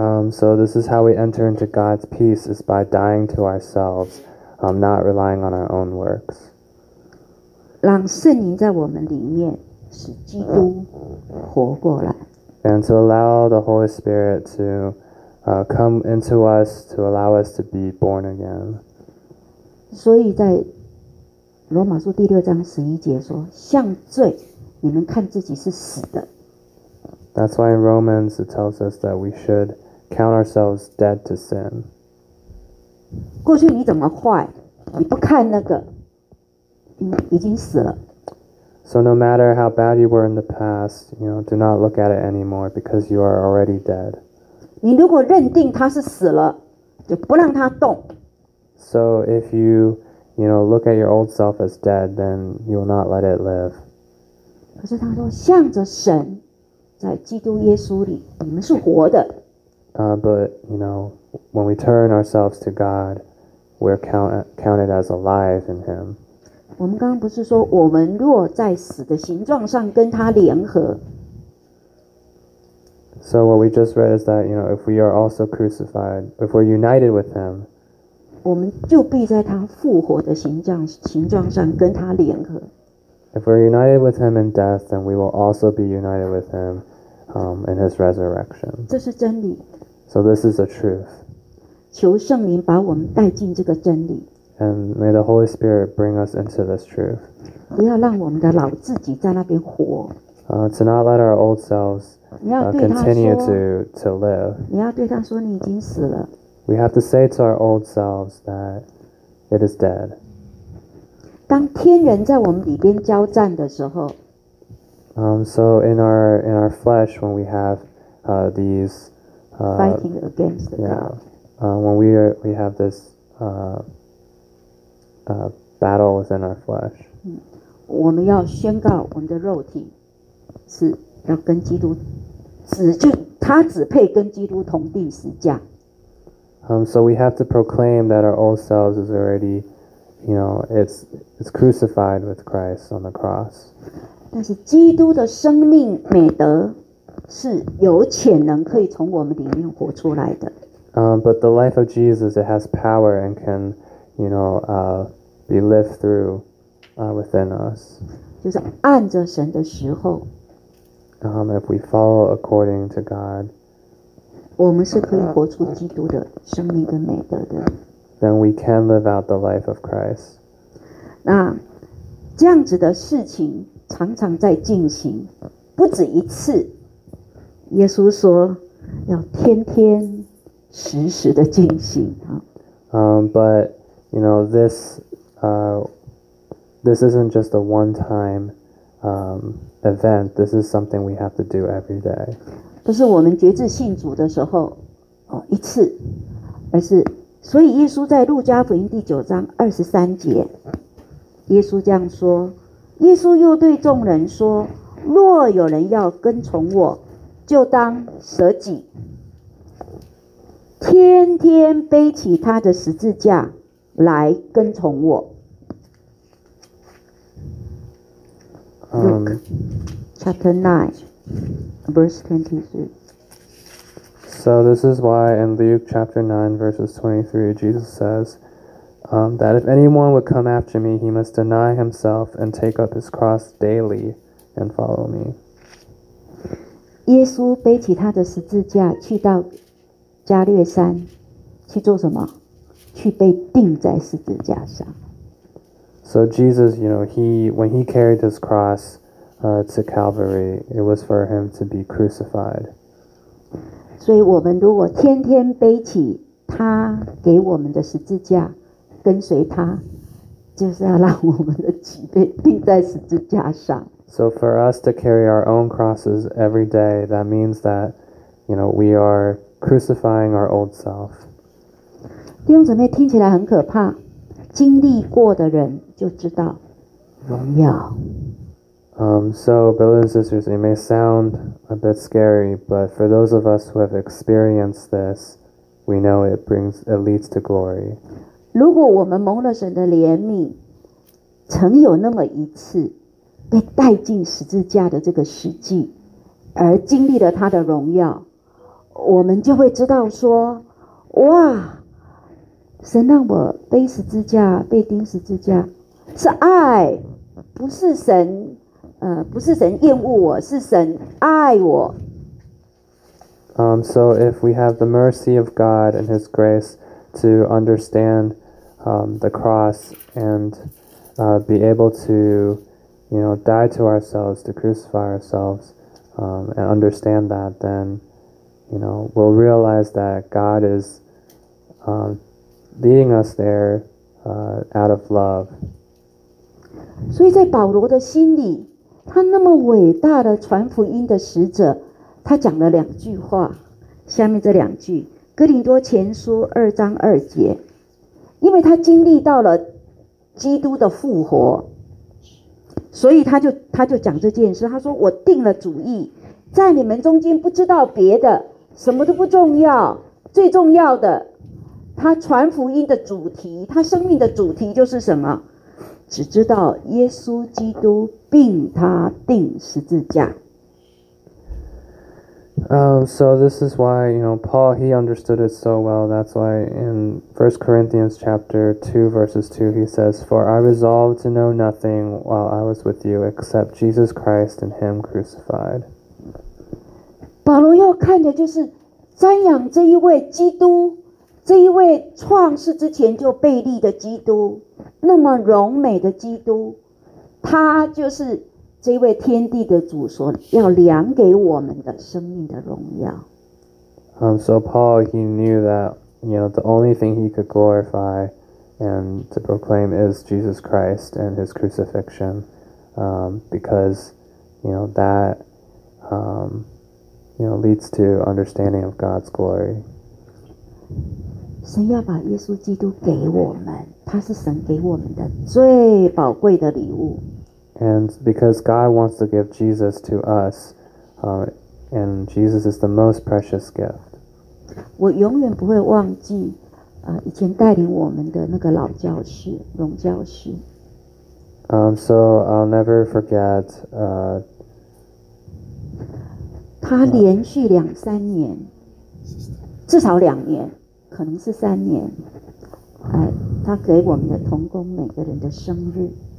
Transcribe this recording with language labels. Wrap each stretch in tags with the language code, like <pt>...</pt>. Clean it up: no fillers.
<en>So this is how we enter into God's peace, is by dying to ourselves, not relying on our own works.</en> <zh>让圣灵在我们里面使基督活过来。</zh> <en>And to allow the Holy Spirit to come into us, to allow us to be born again.</en> <zh>所以在罗马书第六章十一节说，像罪，你们看自己是死的。</zh> <en>That's why in Romans it tells us that we should count ourselves dead to sin.</en> <zh>过去你怎么坏，你不看那个，已经死了。</zh> <en>So no matter how bad you were in the past, you know, do not look at it anymore because you are already dead.</en> <zh>你如果认定他是死了，就不让他动。</zh> <en>So if you, you know, look at your old self as dead, then you will not let it live.</en> <zh>可是他说，向着神。在基督耶稣里，你们是活的。</zh> <en>But you know, when we turn ourselves to God, we're counted as alive in Him.</en> <zh>我们刚刚不是说，我们若在死的形状上跟他联合</zh> <en>？So what we just read is that you know, if we are also crucified, if we're united with Him,</en> <zh>我们就必在他复活的形状上跟他联合。</zh> <en>If we're united with him in death, then we will also be united with him in his resurrection.</en> <zh>这是真理。</zh> <en>So this is the truth.</en> <zh>求圣灵把我们带进这个真理。</zh> <en>And may the Holy Spirit bring us into this truth.</en> <zh>不要让我们的老自己在那边活。</zh> <en>To not let our old selves continue to live.</en> <zh>你要对他说你已经死了。</zh> <en>We have to say to our old selves that it is dead.</en> <zh>当天人在我们里边交战的时候</zh> <en>So in our flesh, when we have these fighting against the God, yeah, when we have this battle within our flesh,</en> <zh>我们要宣告我们的肉体是要跟基督只就他只配跟基督同钉十字架</zh> <en>So we have to proclaim that our old selves is already. You know, it's crucified with Christ on the cross.</en> <zh>但是基督的生命美德是有潜能可以从我们里面活出来的。</zh> <en>But the life of Jesus, it has power and can, you know, be lived through within us.</en> <zh>就是按着神的时候。</zh> <en>If we follow according to God,</en> <zh>我们是可以活出基督的生命跟美德的。</zh> <en>Then we can live out the life of Christ.</en> <zh>那这样子的事情常常在进行，不止一次。耶稣说要天天时时的进行。</zh> <en>But you know this, this isn't just a one-time event. This is something we have to do every day.</en> <zh>不是我们决志信主的时候哦一次，而是。所以耶稣在路加福音第九章二十三节，耶稣这样说：耶稣又对众人说，若有人要跟从我，就当舍己，天天背起他的十字架来跟从我。</zh> <en>Luke chapter 9, verse 23. So this is why in Luke chapter 9, verses 23, Jesus says, that if anyone would come after me, he must deny himself and take up his cross daily and follow me.</en> <zh>耶稣背起他的十字架去到加略山去做什么？去被钉在十字架上。</zh> <en>So Jesus, you know, when he carried his cross to Calvary, it was for him to be crucified.</en> <zh>所以我们如果天天背起他给我们的十字架跟随他，就是要让我们的脊背钉在十字架上。</zh> <en>So for us to carry our own crosses every day, that means that, you know, we are crucifying our old self.</en> <zh>弟兄姊妹，听起来很可怕，经历过的人就知道荣耀。</zh> <en>So brothers and sisters, it may sound a bit scary, but for those of us who have experienced this, we know it leads to glory.</en> <zh>如果我们蒙了神的怜悯，曾有那么一次被带进十字架的这个实际，而经历了他的荣耀，我们就会知道说，哇，神让我背十字架，被钉十字架，是爱，不是神，不是神厌恶我，是神爱我。</zh> <en>So if we have the mercy of God and His grace to understand the cross and be able to, you know, die to ourselves, to crucify ourselves, and understand that, then, you know, we'll realize that God is leading us there out of love.</en> <zh>所以在保罗的心里，他那么伟大的传福音的使者，他讲了两句话，下面这两句，哥林多前书二章二节，因为他经历到了基督的复活，所以他就讲这件事，他说我定了主意，在你们中间不知道别的，什么都不重要，最重要的，他传福音的主题，他生命的主题就是什么？只知道耶稣基督并他钉十字架。</zh> <en>So this is why, you know, Paul, he understood it so well. That's why in 1 Corinthians chapter 2, verses 2, he says, For I resolved to know nothing while I was with you except Jesus Christ and Him crucified.</en> <zh>保罗要看的就是瞻仰这一位基督，这一位创世之前就被立的基督，那么荣美的基督，他就是这位天地的主所要量给我们的生命的荣耀。</zh> <en>So Paul, he knew that, you know, the only thing he could glorify and to proclaim is Jesus Christ and his crucifixion, because, you know, that, you know, leads to understanding of God's glory.</en> <zh>神要把耶稣基督给我们，他是神给我们的最宝贵的礼物。</zh> <en>And because God wants to give Jesus to us, and Jesus is the most precious gift.</en> <zh>我永远不会忘记，以前带领我们的那个老教师，荣教师。</zh> <en>So I'll never forget.</en> <zh>他连续两三年，至少两年，可能是三年，他给我们的同工每个人的生日。</zh>